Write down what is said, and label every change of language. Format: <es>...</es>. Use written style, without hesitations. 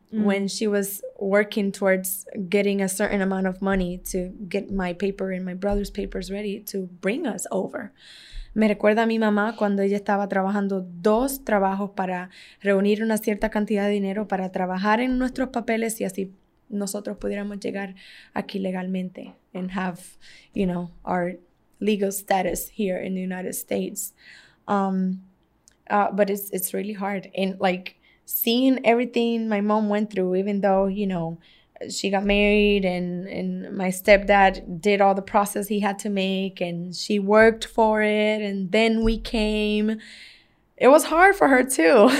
<en>When she was working towards getting a certain amount of money to get my paper and my brother's papers ready to bring us over.</en> <es>Me recuerda a mi mamá cuando ella estaba trabajando dos trabajos para reunir una cierta cantidad de dinero para trabajar en nuestros papeles y así nosotros pudiéramos llegar aquí legalmente</es> <en>and have, you know, our legal status here in the United States. But it's really hard. And like, seeing everything my mom went through, even though, you know, she got married and my stepdad did all the process he had to make and she worked for it and then we came. It was hard for her too.</en>